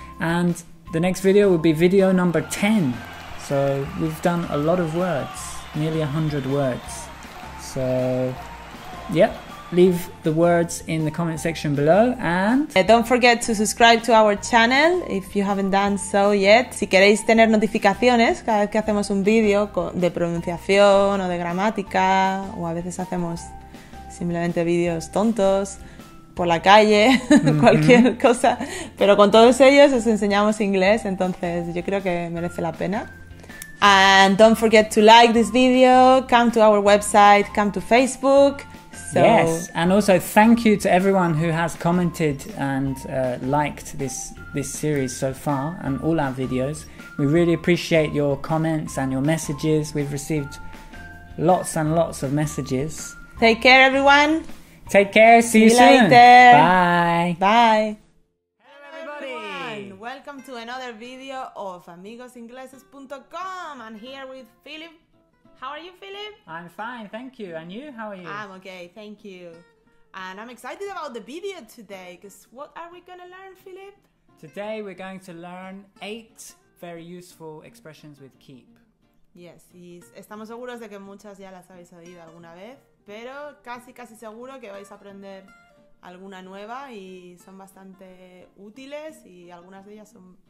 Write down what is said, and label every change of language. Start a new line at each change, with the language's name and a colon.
English: And the next video will be video number 10. So we've done a lot of words, nearly 100 words. So yep, leave the words in the comment section below and... Don't forget to subscribe to our channel if you haven't done so yet.
Spanish: Si queréis tener notificaciones cada vez que hacemos un video de pronunciación o de gramática o a veces hacemos... simplemente vídeos tontos, por la calle, cualquier cosa. Pero con todos ellos os enseñamos inglés, entonces yo creo que merece la pena.
English: And don't forget to like this video, come to our website, come to Facebook. So... yes, and also thank you to everyone who has commented and liked this series so far and all our videos. We really appreciate your comments and your messages. We've received lots and lots of messages. Take care, everyone. Take care. See you soon. Later. Bye. Bye. Hello, everybody. Welcome to another video of AmigosIngleses.com. I'm here with Philip. How are you, Philip? I'm fine, thank you. And you, how are you? I'm okay, thank you. And I'm excited about the video today, because what are we going to learn, Philip? Today, we're going to learn 8 very useful expressions with keep. Yes,
Spanish: y estamos seguros de que muchas ya las habéis oído alguna vez. Pero casi seguro que vais a aprender alguna nueva y son bastante útiles y algunas de ellas son...